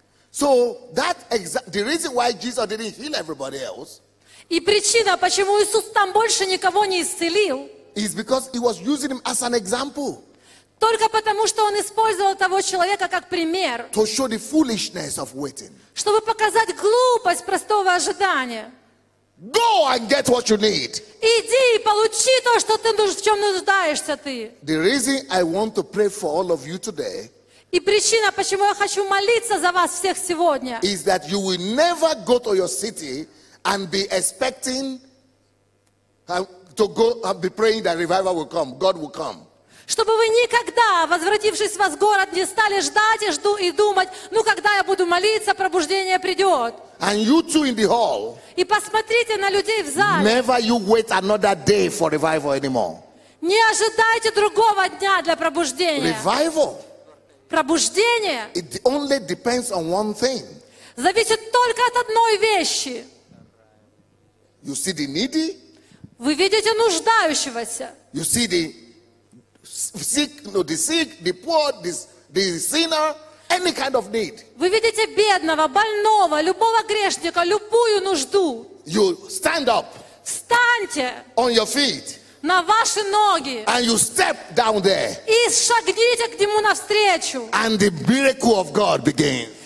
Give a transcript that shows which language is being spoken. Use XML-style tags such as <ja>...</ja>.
<en>So that the reason why Jesus didn't heal everybody else.</en> <ru>И причина, почему Иисус там больше никого не исцелил.</ru> <en>Is because he was using him as an example.</en> <ru>Только потому, что он использовал того человека как пример.</ru> <en>To show the foolishness of waiting.</en> <ru>Чтобы показать глупость простого ожидания.</ru> <en>Go and get what you need.</en> <ru>Иди и получи то, что ты в чем нуждаешься ты.</ru> <en>The reason I want to pray for all of you today.</en> <ru>И причина, почему я хочу молиться за вас всех сегодня.</ru> <en>Is that you will never go to your city and be expecting. To go and be praying that revival will come, God will come.</en> <ru>Чтобы вы никогда, возвратившись в ваш город, не стали ждать и жду и думать, ну когда я буду молиться, пробуждение придет.</ru> <en>And you too in the hall.</en> <ru>И посмотрите на людей в зале.</ru> <en>Never you wait another day for revival anymore.</en> <ru>Не ожидайте другого дня для пробуждения.</ru> <en>Revival.</en> <ru>Пробуждение.</ru> <en>It only depends on one thing.</en> <ru>Зависит только от одной вещи.</ru> <en>You see the needy.</en> <ru>Вы видите нуждающегося.</ru> <en>You see the sick, the poor, the sinner, any kind of need.</en> <ru>Вы видите бедного, больного, любого грешника, любую нужду.</ru> <en>You stand up.</en> <ru>Встаньте.</ru> <en>On your feet.</en> <ru>На ваши ноги.</ru> <en>And you step down there.</en> <ru>И шагните к нему навстречу.</ru> <en>And the miracle of God begins.</en>